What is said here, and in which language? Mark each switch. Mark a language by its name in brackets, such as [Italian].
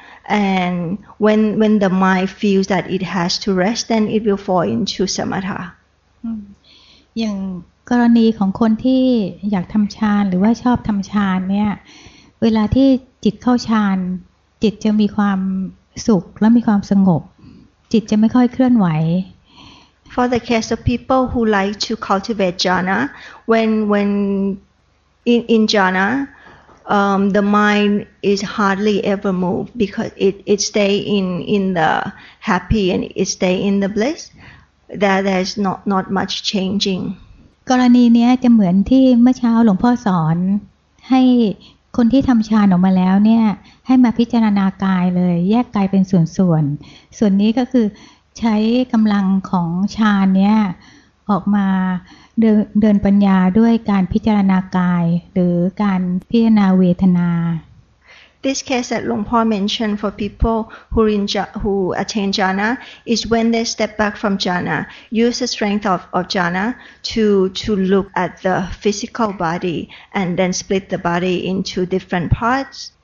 [English] and when the mind feels that it has to rest then it will fall into samatha [Thai] อย่างกรณีของคนที่อยากทำฌานหรือว่าชอบทำฌานเนี่ยเวลาที่จิตเข้าฌานจิตจะมีความสุขและมีความสงบจิตจะไม่ค่อยเคลื่อนไหว [English] For the case of people who like to cultivate jhana when in jhana the mind is hardly ever moved because it stay in the happy and it stay in the bliss that there's not much changing [Thai] กรณีนี้จะเหมือนที่เมื่อเช้าหลวงพ่อสอนให้คนที่ทำฌานออกมาแล้วเนี่ยให้มาพิจารณากายเลยแยกกายเป็นส่วนๆส่วนนี้ก็คือใช้กำลังของฌานเนี่ยออกมาเดินปัญญาด้วยการพิจารณากายหรือการพิจารณาเวทนา [English] This case that Long Paul mentioned for people who attain jhana is when they step back from jhana use the strength of jhana to look at the physical body and then split the body into different parts